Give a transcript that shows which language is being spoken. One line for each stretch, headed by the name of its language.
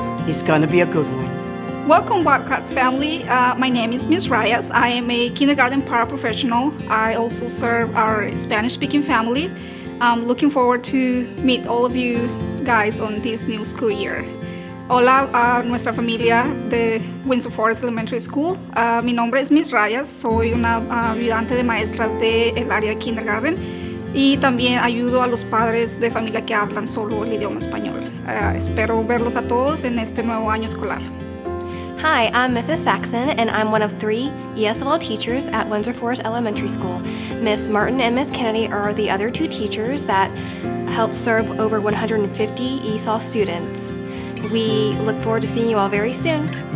English: It's going to be a good one. Welcome, Wildcats family. My name is Ms. Reyes. I am a kindergarten paraprofessional. I also serve our Spanish-speaking families. I'm looking forward to meet all of you guys on this new school year.
Spanish: Hola a nuestra familia de Windsor Forest Elementary School. Mi nombre es Miss Rayas, soy una ayudante de maestra del área de kindergarten y también ayudo a los padres de familia que hablan solo el idioma español. Espero verlos a todos en este nuevo año escolar.
English: Hi, I'm Mrs. Saxon, and I'm one of three ESL teachers at Windsor Forest Elementary School. Miss Martin and Miss Kennedy are the other two teachers that help serve over 150 ESL students. We look forward to seeing you all very soon.